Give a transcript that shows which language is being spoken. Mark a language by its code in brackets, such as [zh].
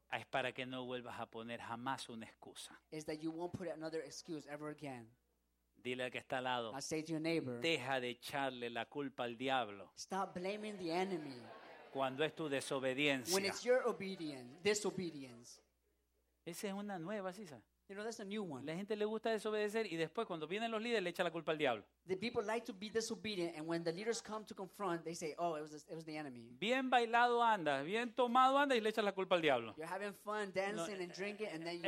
[es] Es para que no vuelvas a poner jamás una excusa. [en] Is that you won't put another excuse ever again. [es] Dile al que está al lado. [en] I say to your neighbor. [es] Deja de echarle la culpa al diablo. [en] Stop blaming the enemy. [es] cuando es tu desobediencia. [en] When it's your obedience, disobedience. [es] Esa es una nueva, ¿sí? [en] You know, that's a new one. [es] La gente le gusta desobedecer y después cuando vienen los líderes le echa la culpa al diablo. [en] The people like to be disobedient, and when the leaders come to confront, they say, "Oh, it was the enemy." [es] Bien bailado anda, bien tomado anda y le echa la culpa al diablo. [en] You're having fun dancing and drinking, and then you.